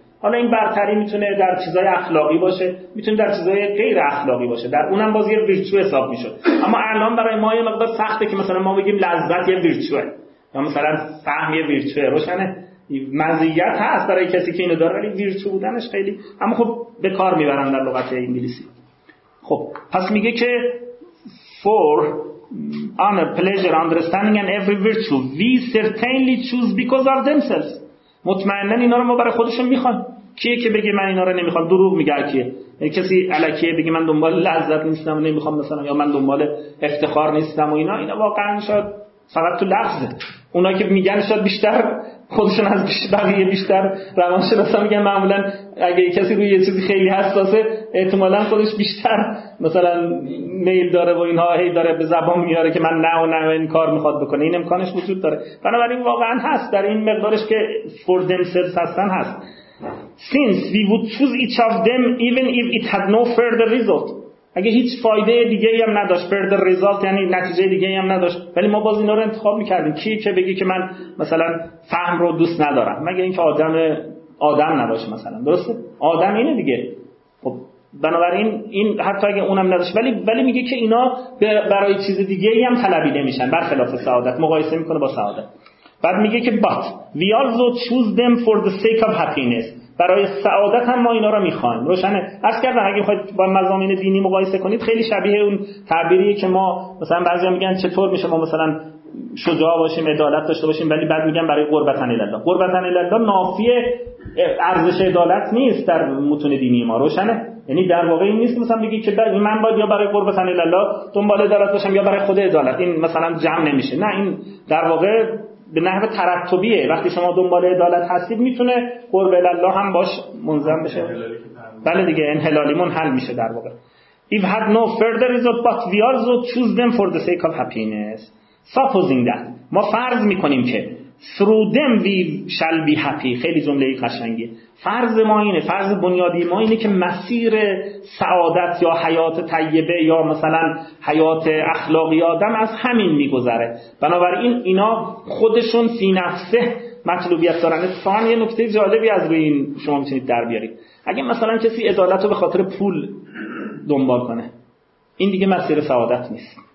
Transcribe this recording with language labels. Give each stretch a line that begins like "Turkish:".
Persian: حالا این برتری میتونه در چیزای اخلاقی باشه، میتونه در چیزای غیر اخلاقی باشه، در اونم باز یه ویرچو حساب میشه، اما الان برای ما یه مقدار سخته که مثلا ما بگیم لذت یه ویرچوه یا مثلا فهم یه ویرچوه، روشنه؟ مزیت هست برای کسی که اینو داره، ولی ویرچو بودنش خیلی، اما خب به کار میبرن در لغت انگلیسی. خب پس میگه که
English: for honor, pleasure, understanding and every virtue we certainly choose because of themselves.
Persian: مطمئنا اینا رو ما برای خودشون میخوان، کیه که بگه من اینا رو نمیخوام؟ دروغ میگه کیه؟ یعنی کسی الکیه بگه من دنبال لذت نیستم و نمیخوام مثلا، یا من دنبال افتخار نیستم و اینا، اینا واقعا شاید فقط تو لفظه، اونا که میگن شاید بیشتر خودشون از بقیه بیشتر روانشناسا میگن، معمولا اگه کسی روی یه چیزی خیلی حساسه احتمالا خودش بیشتر مثلا میل داره و اینها، هی داره به زبان میاره که من نه و نه و این کار میخواد بکنه، این امکانش وجود داره، بنابراین واقعا هست در این مقدارش که
English: for themselves
Persian: هستن هست.
English: Since we would choose each of them even if it had no further result.
Persian: اگه هیچ فایده دیگه ای هم نداشت،
English: further result
Persian: یعنی نتیجه دیگه ای هم نداشت، ولی ما باز اینا رو انتخاب میکردیم، کی که بگی که من مثلا فهم رو دوست ندارم، مگه اینکه آدم نباشه مثلا، درسته؟ آدم اینه دیگه. خب بنابراین این حتی اگه اونم نداشت، ولی میگه که اینا برای چیز دیگه ای هم طلبیده میشن برخلاف سعادت، مقایسه میکنه با سعادت. بعد میگه که
English: but we also choose them for the sake of happiness.
Persian: برای سعادت هم ما اینا رو میخوایم، روشنه؟ عرض کردم اگه بخواید با مضامین دینی مقایسه کنید، خیلی شبیه اون تعبیریه که ما مثلا بعضیا میگن چطور میشه ما مثلا شجاع باشیم، عدالت داشته باشیم، ولی بعد میگن برای قربتن الله. قربتن الله نافی ارزش عدالت نیست در متون دینی ما، روشنه؟ یعنی در واقع این نیست مثلا بگی که من باید یا برای قربتن الله دنبال عدالت باشم یا برای خود عدالت، این مثلا جمع نمیشه، نه، این در واقع به نحو ترتبیه، وقتی شما دنبال عدالت هستید میتونه قرب الله هم باش منظم بشه، بله دیگه، انحلالی منحل میشه در واقع.
English: If had no further result but we also choose them for the sake of happiness. Supposing that
Persian: ما فرض میکنیم که
English: through them we shall be happy.
Persian: خیلی جمله قشنگه. فرض ما اینه، فرض بنیادی ما اینه که مسیر سعادت یا حیات طیبه یا مثلا حیات اخلاقی آدم از همین میگذره. بنابراین اینا خودشون فی نفسه مطلوبیت دارن. اتفاقا یه نکته جالبی از روی این شما میتونید در بیارید. اگه مثلا کسی عدالت رو به خاطر پول دنبال کنه، این دیگه مسیر سعادت نیست.